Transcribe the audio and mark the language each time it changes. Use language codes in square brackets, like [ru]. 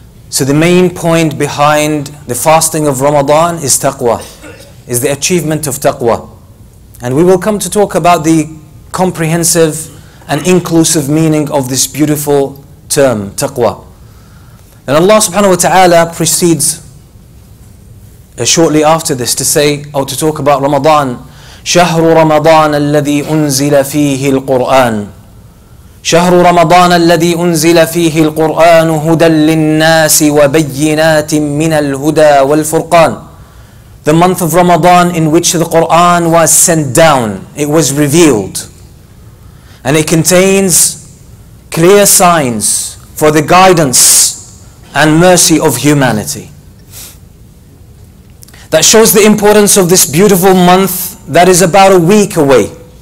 [en] So the main point behind the fasting of Ramadan is taqwa, is the achievement of taqwa. And we will come to talk about the comprehensive and inclusive meaning of this beautiful term, taqwa. And Allah subhanahu wa ta'ala proceeds shortly after this to say, or to talk about Ramadan. [ar] شهر رمضان الذي أنزل فيه القرآن شهر رمضان الذي أنزل فيه القرآن هدى للناس وبينات من الهدى والفرقان. [en] The month of Ramadan in which the Quran was sent down, it was revealed, and it contains clear signs for the guidance and mercy of humanity. That shows the importance of this beautiful month that is about a week away.